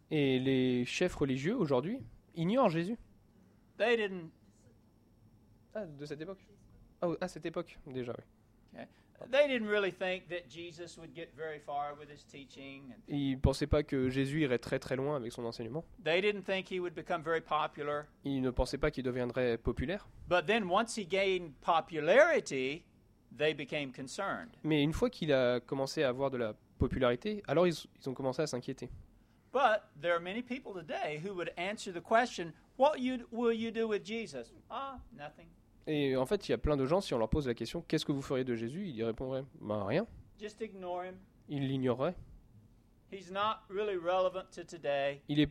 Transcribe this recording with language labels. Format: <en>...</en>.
<fr>Et les chefs religieux aujourd'hui ignorent Jésus.</fr> <en>They didn't.</en> <fr>Ah, de cette époque. Oh, à cette époque déjà, oui.</fr> <en>Okay. They didn't really think that Jesus would get very far with his teaching.</en> <fr>Ils ne pensaient pas que Jésus irait très très loin avec son enseignement.</fr> <en>They didn't think he would become very popular.</en> <fr>Ils ne pensaient pas qu'il deviendrait populaire.</fr> <en>But then once he gained popularity, they became concerned.</en> <fr>Mais une fois qu'il a commencé à avoir de la popularité, alors ils ont commencé à s'inquiéter.</fr> <en>But there are many people today who would answer the question, what will you do with Jesus? Ah, nothing.</en> <fr>Et en fait, il y a plein de gens, si on leur pose la question, qu'est-ce que vous feriez de Jésus? Ils y répondraient, ben rien.</fr> <en>Just ignore him.</en> <fr>Ils l'ignoreraient.</fr> <en>He's not really relevant to today.</en>